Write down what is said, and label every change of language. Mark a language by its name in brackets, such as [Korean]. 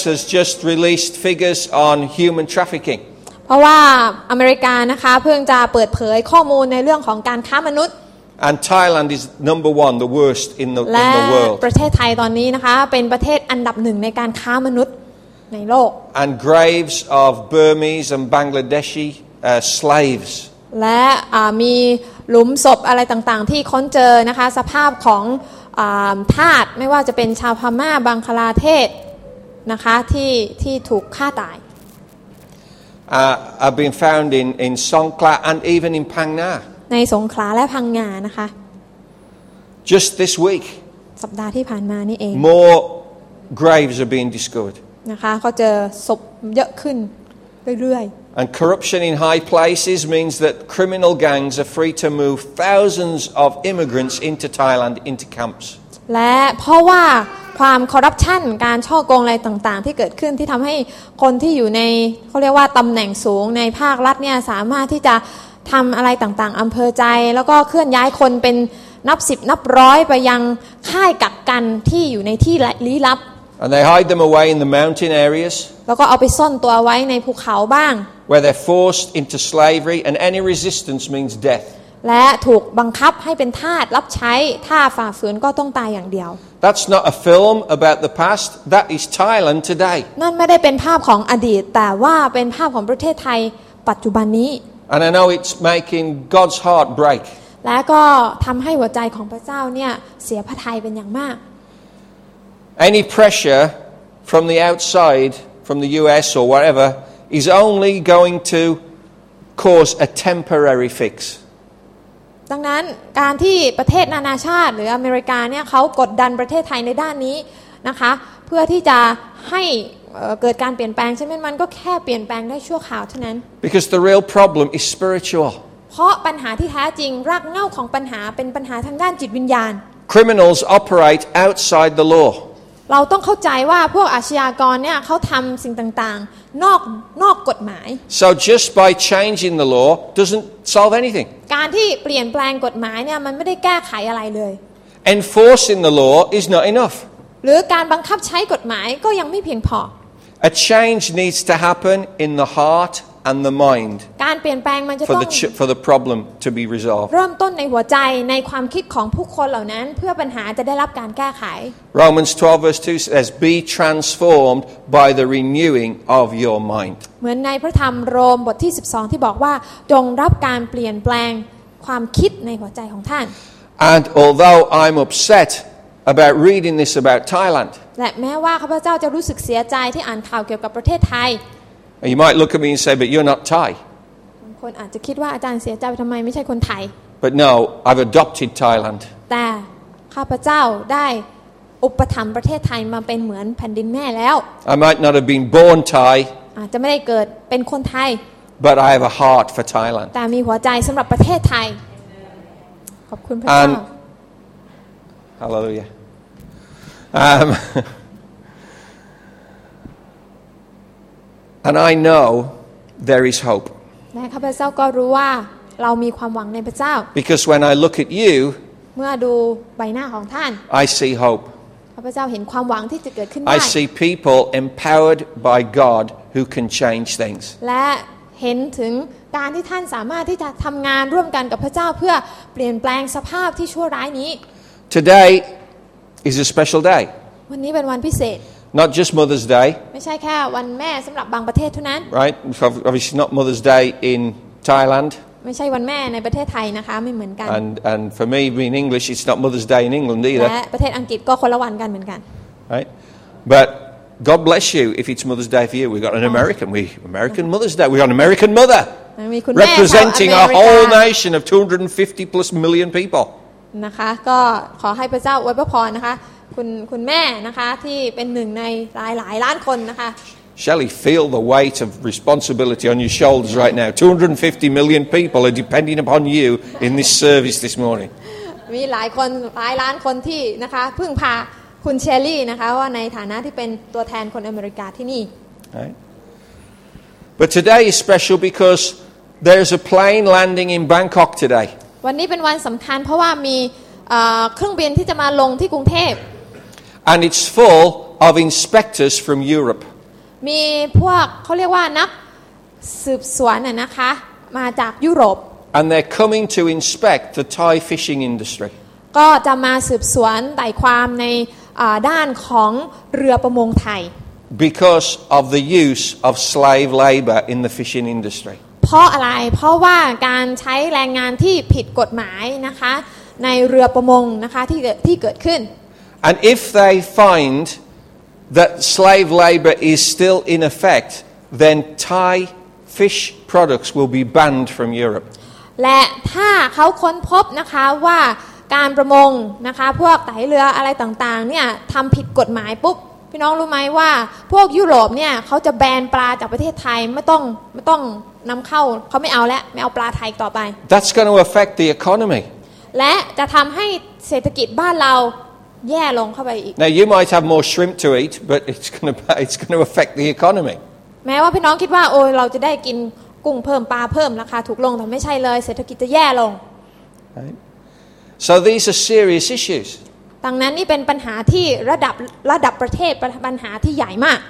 [English] has just released figures on human trafficking. [Thai] เพราะว่าอเมริกานะคะเพิ่งจะเปิดเผยข้อมูลในเรื่องของการค้ามนุษย์ [English] And Thailand is number one, the worst in the world. [Thai] และประเทศไทยตอนนี้นะคะเป็นประเทศอันดับหนึ่งในการค้ามนุษย์ในโลก [English] And graves of Burmese and Bangladeshi slaves. [Thai] และมีหลุมศพอะไรต่างๆที่ค้นเจอนะคะสภาพของทาสไม่ว่าจะเป็นชาวพม่าบังคลาเทศนะคะที่ถูกฆ่าตาย [English] I've been found in Songkhla and even in Phangna [Thai] ในสงขลาและพังงานะคะ [English] Just this week [Thai] สัปดาห์ที่ผ่านมานี่เอง [English] More graves are being discovered [Thai] นะคะก็เจอศพเยอะขึ้นเรื่อย [English] ๆ And corruption in high places means that criminal gangs are free to move thousands of immigrants into Thailand into camps [Thai] และเพราะว่าความคอร์รัปชันการช่อโกงอะไรต่างๆที่เกิดขึ้นที่ทำให้คนที่อยู่ในเขาเรียกว่าตำแหน่งสูงในภาครัฐเนี่ยสามารถที่จะทำอะไรต่างๆอำเภอใจแล้วก็เคลื่อนย้ายคนเป็นนับสิบนับร้อยไปยังค่ายกักกันที่อยู่ในที่ลี้ลับ [English] And they hide them away in the mountain areas [Thai] แล้วก็เอาไปซ่อนตัวไว้ในภูเขาบ้าง [English] Where they're forced into slavery and any resistance means death [Thai] และถูกบังคับให้เป็นทาสรับใช้ถ้าฝ่าฝืนก็ต้องตายอย่างเดียว [English] That's not a film about the past that is Thailand today [Thai] นั่นไม่ได้เป็นภาพของอดีตแต่ว่าเป็นภาพของประเทศไทยปัจจุบันนี้ [English] And I know it's making God's heart break [Thai] และก็ทำให้หัวใจของพระเจ้าเนี่ยเสียพระทัยเป็นอย่างมาก [English] Any pressure from the outside from the US or whatever is only going to cause a temporary fix [Thai] ดังนั้นการที่ประเทศนานาชาติหรืออเมริกาเนี่ยเขากดดันประเทศไทยในด้านนี้นะคะเพื่อที่จะให้เกิดการเปลี่ยนแปลงใช่ไหมมันก็แค่เปลี่ยนแปลงได้ชั่วคราวเท่านั้น [English] Because the real problem is spiritual [Thai] เพราะปัญหาที่แท้จริงรากเหง้าของปัญหาเป็นปัญหาทางด้านจิตวิญญาณ [English] Criminals operate outside the law [Thai] เราต้องเข้าใจว่าพวกอาชญากรเนี่ยเขาทำสิ่งต่างๆนอกกฎหมาย [English] So just by changing the law doesn't solve anything [Thai] การที่เปลี่ยนแปลงกฎหมายเนี่ยมันไม่ได้แก้ไขอะไรเลย [English] Enforcing the law is not enough [Thai] หรือการบังคับใช้กฎหมายก็ยังไม่เพียงพอ [English] A change needs to happen in the heart and the mind [Thai] การเปลี่ยนแปลงมันจะต้อง [English] for the problem to be resolved [Thai] เริ่มต้นในหัวใจในความคิดของผู้คนเหล่านั้นเพื่อปัญหาจะได้รับการแก้ไข [English] Romans 12 verse 2 says be transformed by the renewing of your mind [Thai] เหมือนในพระธรรมโรมบทที่12ที่บอกว่าจงรับการเปลี่ยนแปลงความคิดในหัวใจของท่าน [English] And although I'm upset about reading this about Thailand [Thai] และแม้ว่าข้าพเจ้าจะรู้สึกเสียใจที่อ่านข่าวเกี่ยวกับประเทศไทย [English] You might look at me and say, "But you're not Thai." [Thai] คนอาจจะคิดว่าอาจารย์เสียใจทำไมไม่ใช่คนไทย [English] But no, I've adopted Thailand. [Thai] แต่ข้าพเจ้าได้อุปถัมภ์ประเทศไทยมาเป็นเหมือนแผ่นดินแม่แล้ว [English] I might not have been born Thai. [Thai] อาจจะไม่ได้เกิดเป็นคนไทย [English] But I have a heart for Thailand. [Thai] แต่มีหัวใจสำหรับประเทศไทยขอบคุณพระเจ้ า [English] Hallelujah. And I know there is hope. [Thai] นะครับพระเจ้าก็รู้ว่าเรามีความหวังในพระเจ้า [English] Because when I look at you, [Thai] เมื่อดูใบหน้าของท่าน [English] I see hope. [Thai] ข้าพเจ้าเห็นความหวังที่จะเกิดขึ้นได้ [English] I see people empowered by God who can change things. [Thai] และเห็นถึงการที่ท่านสามารถที่จะทำงานร่วมกันกับพระเจ้าเพื่อเปลี่ยนแปลงสภาพที่ชั่วร้ายนี้ [English] Today is a special day. [Thai] วันนี้เป็นวันพิเศษ [English] not just Mother's Day. [Thai] ไม่ใช่แค่วันแม่สำหรับบางประเทศเท่านั้น [English] Right? Obviously not Mother's Day in Thailand. [Thai] ไม่ใช่วันแม่ในประเทศไทยนะคะไม่เหมือนกัน [English] And for me being English, it's not Mother's Day in England either. [Thai] และประเทศอังกฤษก็คนละวันกันเหมือนกัน [English] Right? But God bless you if it's Mother's Day for you. We've got an American. We American Mother's Day. We got an American mother. Representing our whole nation of 250 plus million people. [Thai] นะคะก็ขอให้พระเจ้าอวยพรนะคะคุณแม่นะคะที่เป็นหนึ่งในหลายล้านคนนะคะ [English] Shelley, feel the weight of responsibility on your shoulders right now. 250 million people are depending upon you in this service this morning. [Thai] มีหลายคนหลายล้านคนที่นะคะพึ่งพาคุณเชลลี่นะคะว่าในฐานะที่เป็นตัวแทนคนอเมริกาที่นี่ [English] But today is special because there's a plane landing in Bangkok today. [Thai] วันนี้เป็นวันสำคัญเพราะว่ามีเครื่องบินที่จะมาลงที่กรุงเทพ [English] And it's full of inspectors from Europe. [Thai] มีพวกเขาเรียกว่านักสืบสวนนะคะมาจากยุโรป [English] And they're coming to inspect the Thai fishing industry. [Thai] ก็จะมาสืบสวนไต่ความในด้านของเรือประมงไทย [English] Because of the use of slave labor in the fishing industry [Thai] เพราะอะไรเพราะว่าการใช้แรงงานที่ผิดกฎหมายนะคะในเรือประมงนะคะที่เกิดขึ้น [English] And if they find that slave labor is still in effect then Thai fish products will be banned from Europe [Thai] และถ้าเขาค้นพบนะคะว่าการประมงนะคะพวกไถเรืออะไรต่างๆเนี่ยทำผิดกฎหมายปุ๊บพี่น้องรู้ไหมว่าพวกยุโรปเนี่ยเขาจะแบนปลาจากประเทศไทยไม่ต้องนำเข้าเขาไม่เอาแล้วไม่เอาปลาไทยต่อไป [English] That's going to affect the economy [Thai] และจะทำให้เศรษฐกิจบ้านเราแย่ลงเข้าไปอีก [English] Now you might have more shrimp to eat but it's going to affect the economy [Thai] แม้ว่าพี่น้องคิดว่าโอ้เราจะได้กินกุ้งเพิ่มปลาเพิ่มราคาถูกลงแต่ไม่ใช่เลยเศรษฐกิจจะแย่ลง [English] Right. So these are serious issues. [Thai] ดังนั้นนี่เป็นปัญหาที่ระดับประเทศปัญหาที่ใหญ่มาก